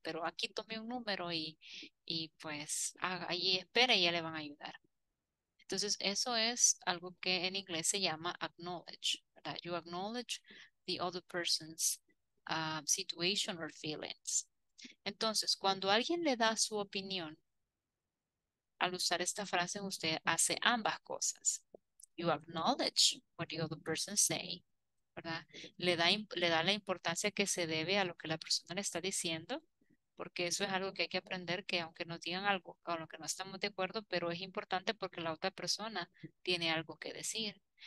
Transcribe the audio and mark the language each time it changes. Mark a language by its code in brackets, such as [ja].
[es] Pero aquí tome un número y pues ahí espere y ya le van a ayudar. Entonces, eso es algo que en inglés se llama acknowledge, ¿verdad? [en] You acknowledge the other person's situation or feelings. [es] Entonces, cuando alguien le da su opinión, al usar esta frase, usted hace ambas cosas. [en] You acknowledge what the other person say, [es] ¿verdad? Le da la importancia que se debe a lo que la persona le está diciendo, porque eso es algo que hay que aprender, que aunque nos digan algo con lo que no estamos de acuerdo, pero es importante porque la otra persona tiene algo que decir.